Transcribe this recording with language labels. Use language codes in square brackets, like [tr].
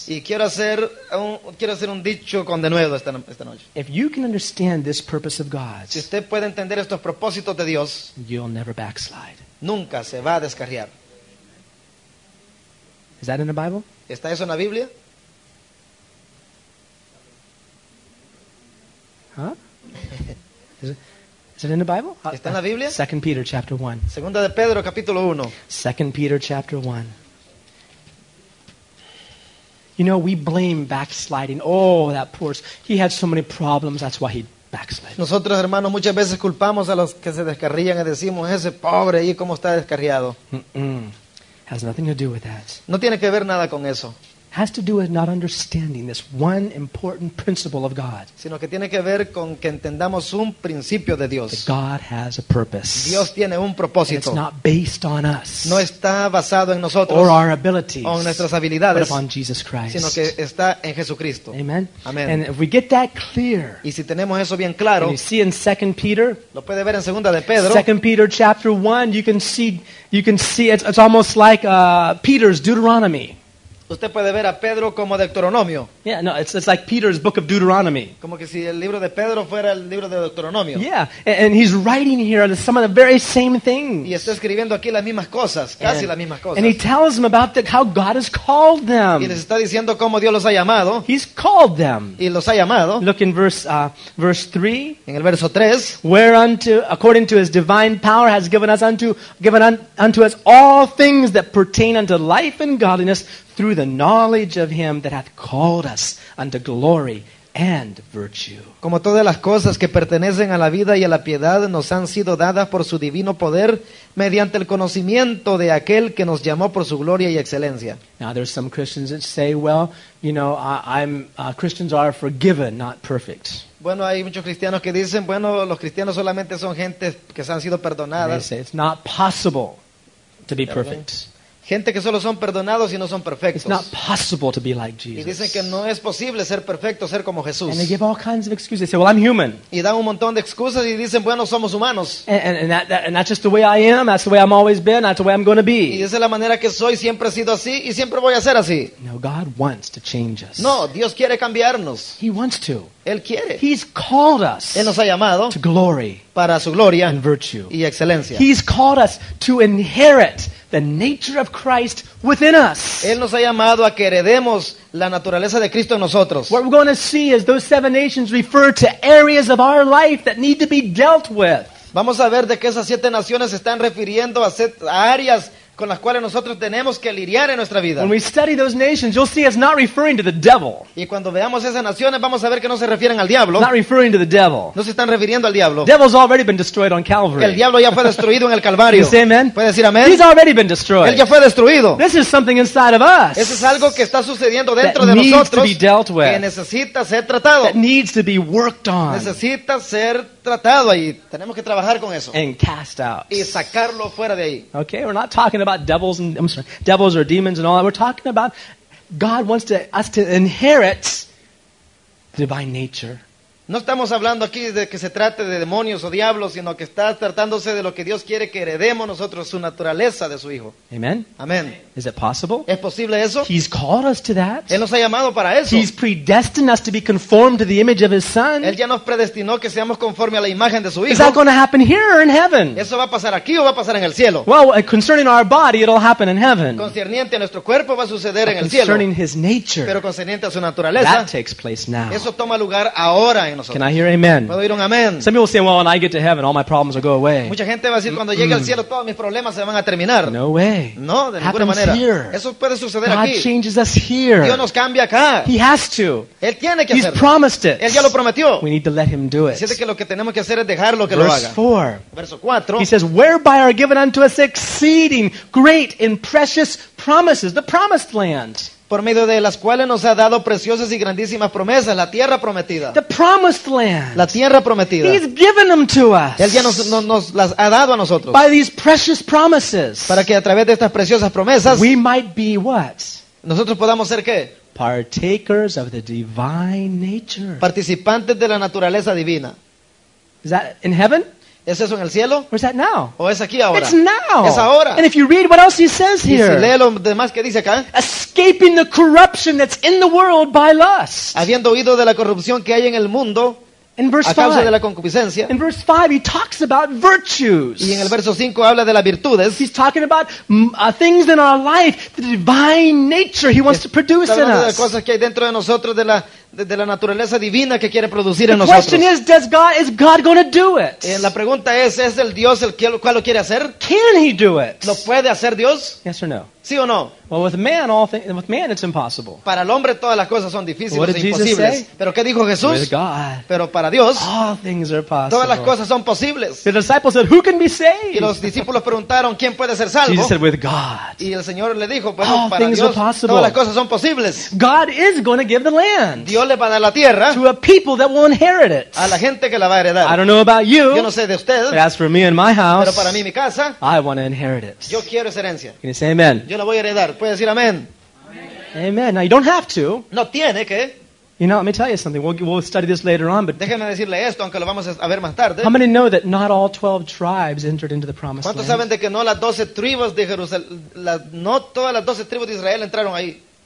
[es] Y quiero hacer un dicho con denuedo esta noche. [en] If you can understand this purpose of God, [es] si usted puede entender estos propósitos de Dios, [en] you'll never backslide. [es] Nunca se va a descarriar. [en] Is that in the Bible? [es] ¿Está eso en la Biblia? [en] Huh? Is it in the Bible? [es] ¿Está en la Biblia? [en] 2 Peter chapter 1. [es] Segunda de Pedro capítulo 1. [en] 2 Peter chapter 1. You know, we blame backsliding. Oh, that poor. He had so many problems, that's why he backslid. [es] Nosotros, hermanos, muchas veces culpamos a los que se descarrían y decimos, ese pobre ahí, cómo está descarriado. [en] Mm-mm. Has nothing to do with that. [es] No tiene que ver nada con eso. [en] Has to do with not understanding this one important principle of God. [es] Sino que tiene que ver con que entendamos un principio de Dios. [en] That God has a purpose. [es] Dios tiene un propósito. [en] And it's not based on us. [es] No está basado en nosotros. [en] Or our abilities. [es] O nuestras habilidades. [en] But upon Jesus Christ. [es] Sino que está en Jesucristo. [en] Amen. [es] Amen. [en] And if we get that clear. [es] Y si tenemos eso bien claro. [en] You see in 2 Peter. [es] Lo puede ver en Segunda de Pedro. [en] 2 Peter chapter 1, you can see it's almost like Peter's Deuteronomy. [es] Usted puede ver a Pedro como Deuteronomio. [en] Yeah, no, it's like Peter's book of Deuteronomy. [es] Como que si el libro de Pedro fuera el libro de Deuteronomio. [en] Yeah, and he's writing here some of the very same things. [es] Y está escribiendo aquí las mismas cosas, casi las mismas cosas. [en] And he tells them about how God has called them. [es] Y les está diciendo cómo Dios los ha llamado. [en] He's called them. [es] Y los ha llamado. [en] Look in verse 3. [es] En el verso 3. [en] Whereunto, according to his divine power, has given unto us all things that pertain unto life and godliness, through the knowledge of him that hath called us unto glory and virtue. [es] Como todas las cosas que pertenecen a la vida y a la piedad nos han sido dadas por su divino poder mediante el conocimiento de aquel que nos llamó por su gloria y excelencia. [en] Now there's some Christians that say, well, you know, Christians are forgiven, not perfect. [es] Bueno, hay muchos cristianos que dicen, bueno, los cristianos solamente son gente que se han sido perdonadas. [en] They say it's not possible to be perfect. [es] Gente que solo son perdonados y no son perfectos. [en] It's not possible to be like Jesus. [es] Y dicen que no es posible ser perfecto, ser como Jesús. [en] And they give all kinds of excuses. They say, well, I'm human. [es] Y dan un montón de excusas y dicen, bueno, somos humanos. [en] And that's just the way I am. That's the way I've always been. That's the way I'm going to be. [es] Y esa es la manera que soy. Siempre he sido así y siempre voy a ser así. [en] No, God wants to change us. [es] No, Dios quiere cambiarnos. [en] He wants to. [es] Él quiere. [en] He's called us. [es] Él nos ha llamado. [en] To glory. [es] Para su gloria. [en] And virtue. [es] Y excelencia. [en] He's called us to inherit the nature of Christ within us. [es] Él nos ha llamado a que heredemos la naturaleza de Cristo en nosotros. [en] What we're going to see is those seven nations refer to areas of our life that need to be dealt with. [es] Vamos a ver de que esas siete naciones están refiriendo a áreas con las cuales nosotros tenemos que lidiar en nuestra vida. [en] When we study those nations, you'll see it's not referring to the devil. [es] Y cuando veamos esas naciones, vamos a ver que no se refieren al diablo. [en] Not referring to the devil. [es] No se están refiriendo al diablo. [en] Devil's already been destroyed on Calvary. [es] El diablo ya fue destruido en el Calvario. [en] You say amen? [es] ¿Puede decir amén? [en] He's already been destroyed. [es] Él ya fue destruido. [en] This is something inside of us. [es] Eso es algo que está sucediendo dentro de nosotros. [en] That needs to be dealt with. [es] Que necesita ser tratado. [en] That needs to be worked on. [es] Necesita ser tratado ahí. Tenemos que trabajar con eso. [en] And cast out. [es] Y sacarlo fuera de ahí. [en] Okay, we're not talking about devils or demons and all that. We're talking about God wants us to inherit the divine nature. [es] No estamos hablando aquí de que se trate de demonios o diablos, sino que está tratándose de lo que Dios quiere que heredemos nosotros, su naturaleza de su Hijo. [en] Amen. [es] Amen. [en] Is it possible? [es] ¿Es posible eso? [en] He's called us to that. [es] Él nos ha llamado para eso. [en] He's predestined us to be conformed to the image of His Son. [es] Él ya nos predestinó que seamos conforme a la imagen de su Hijo. [en] Is that going to happen here or in heaven? [es] ¿Eso va a pasar aquí o va a pasar en el cielo? [en] Well, concerning our body, it'll happen in heaven. [es] Concerniente a nuestro cuerpo, va a suceder [en] but [es] en el cielo. [en] Concerning His nature. [es] Pero concerniente a su naturaleza. [en] That takes place now. [es] Eso toma lugar ahora. [en] Can I hear amen? [es] ¿Puedo oír un amen? [en] Some people say, well, when I get to heaven, all my problems will go away. [es] Mucha gente va a decir, cuando llegue al cielo, todos mis problemas se van a terminar. [en] No way. [es] No, de [en] happens [es] ninguna manera. [en] Here. [es] Eso puede suceder [en] God [es] aquí. [en] God changes us here. [es] Dios nos cambia acá. [en] He has to. [es] Él tiene que [en] He's [es] hacerlo. [en] Promised it. [es] Él ya lo prometió. [en] We need to let Him do it. [es] Siente que lo que tenemos que hacer es dejarlo que [en] Verse [es] lo haga. [en] Verse 4. [es] Verso 4. [en] He says, whereby are given unto us exceeding great and precious promises, the promised land. [es] Por medio de las cuales nos ha dado preciosas y grandísimas promesas, la tierra prometida. [en] The promised land. [es] La tierra prometida. [en] He's given them to us. [es] Él ya nos las ha dado a nosotros. [en] By these precious promises. [es] Para que a través de estas preciosas promesas. [en] We might be what? [es] Nosotros podamos ser qué? [en] Partakers of the divine nature. [es] Participantes de la naturaleza divina. [en] Is that in heaven? [es] ¿Es eso en el cielo? [en] Or is that now? [es] ¿O es aquí ahora? [en] It's now. [es] Es ahora. [en] And if you read what else he says here. [es] Y si lee lo demás que dice acá. [en] Escaping the corruption that's in the world by lust. [es] Habiendo huido de la corrupción que hay en el mundo. [en] In verse [es] a causa [en] five, [es] de la concupiscencia. [en] In verse 5 he talks about virtues. [es] Y en el verso 5 habla de las virtudes. [en] He's talking about things in our life, the divine nature he wants to produce in us. [es] Las cosas que hay dentro de nosotros de la de la naturaleza divina que quiere producir [en] the [es] en [en] question [es] nosotros. [en] Is, does God, is God going to do it? [es] La pregunta es el Dios el que, cual lo quiere hacer? [en] Can he do it? [es] ¿Lo puede hacer Dios? [en] Yes or no. [es] ¿Sí o no? [en] Well, with man, all with man, it's impossible. [es] Para el hombre todas las cosas son difíciles e imposibles. [en] Jesus say? [es] ¿Pero qué dijo Jesús? [en] With God, [es] pero para Dios, [en] all things are possible. [es] Todas las cosas son posibles. [en] The disciples said, "Who can be saved?" [es] Y los discípulos preguntaron, ¿quién puede ser salvo? [en] Jesus said, "With God." [es] Y el Señor le dijo, bueno, [en] all [es] para [en] things [es] Dios, [en] are possible. [es] Todas las cosas son posibles. [en] God is going to give the land. [es] Dios le va a dar la tierra [en] to a people that will inherit it. [es] A la gente que la va a heredar. [en] I don't know about you. [es] Yo no sé de usted, [en] but as for me and my house, [es] pero para mí, mi casa, [en] I want to inherit it. [es] Yo quiero esa herencia. [en] Can you say amen? [es] Yo la voy a heredar. Puede decir amén. [en] Amen. Now you don't have to. [es] No tiene que. [en] You know, let me tell you something. We'll study this later on. But [es] déjeme decirle esto, aunque lo vamos a ver más tarde. [en] How many know that not all 12 tribes entered into the promised land? [es] ¿Cuántos saben de que no las 12 tribus de Jerusalén, no todas las 12 tribus de Israel entraron ahí?